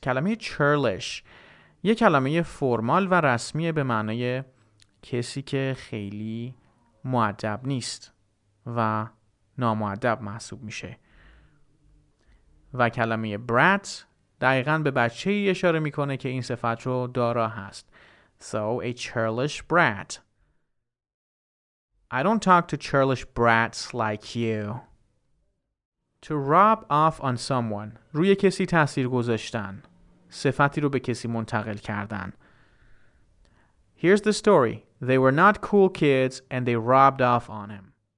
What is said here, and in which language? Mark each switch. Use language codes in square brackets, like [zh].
[fa] کلمه churlish یه کلمه فرمال و رسمیه به معنی کسی که خیلی مؤدب نیست و نامؤدب محسوب میشه. و کلمه brat دقیقاً به بچه ای اشاره میکنه که این صفت رو دارا هست. [en] So, a churlish brat. I don't talk to churlish brats like you. To rub off on someone. [fa] روی کسی تأثیر گذاشتن. صفتی رو به کسی منتقل کردن. [en] Here's the story. They were not cool kids and they rubbed off on him.